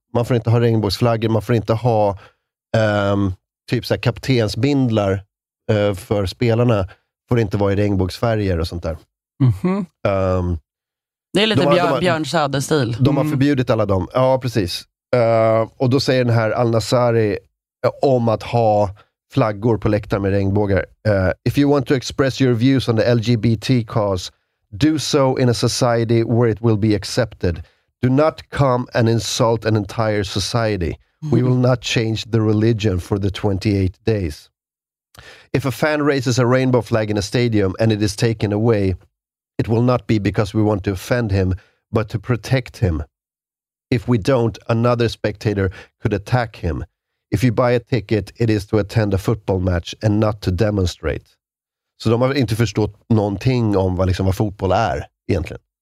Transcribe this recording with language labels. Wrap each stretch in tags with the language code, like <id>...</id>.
<sv>Man får inte ha regnbågsflaggor, man får inte ha typ såhär kaptensbindlar för spelarna. Får inte vara i regnbågsfärger och sånt där. Mm-hmm. Det är lite Björn Söder-stil. De har förbjudit alla dem, ja precis. Och då säger den här Al-Nasari om att ha flaggor på läktaren med regnbågar.</sv> <en>If you want to express your views on the LGBT cause, do so in a society where it will be accepted. Do not come and insult an entire society. We will not change the religion for the 28 days. If a fan raises a rainbow flag in a stadium and it is taken away, it will not be because we want to offend him, but to protect him. If we don't, another spectator could attack him. If you buy a ticket, it is to attend a football match and not to demonstrate.</en> <sv>Så de har inte förstått någonting om vad, liksom, vad fotboll är egentligen.</sv>